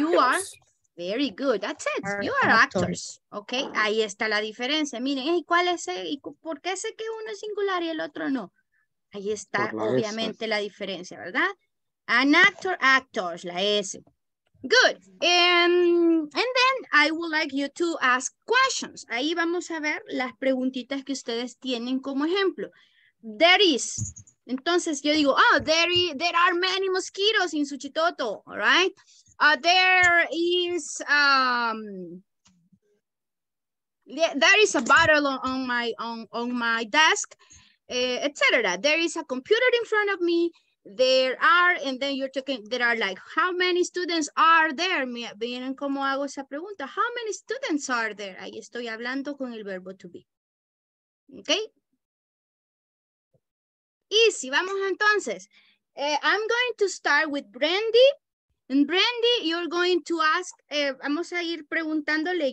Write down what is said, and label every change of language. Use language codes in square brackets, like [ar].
[en] You are, very good, that's it, are you are actors. [es] Ok, ahí está la diferencia. Miren, ¿y cuál es? ¿Y por qué sé que uno es singular y el otro no? Ahí está, obviamente, la diferencia, ¿verdad? [en] An actor, actors, [es] la S. [en] Good. And then I would like you to ask questions. [es] Ahí vamos a ver las preguntitas que ustedes tienen como ejemplo. [en] There is. [es] Entonces yo digo, [en] oh, there are many mosquitoes in Suchitoto. All right. There is a bottle on my desk, etc. There is a computer in front of me. There are, and then you're talking, there are like, how many students are there? [es] Miren cómo hago esa pregunta. [en] How many students are there? [es] Ahí estoy hablando con el verbo to be. ¿Ok? Y si vamos entonces. [en] I'm going to start with Brandy. And Brandy, you're going to ask, [es] vamos a ir preguntándole.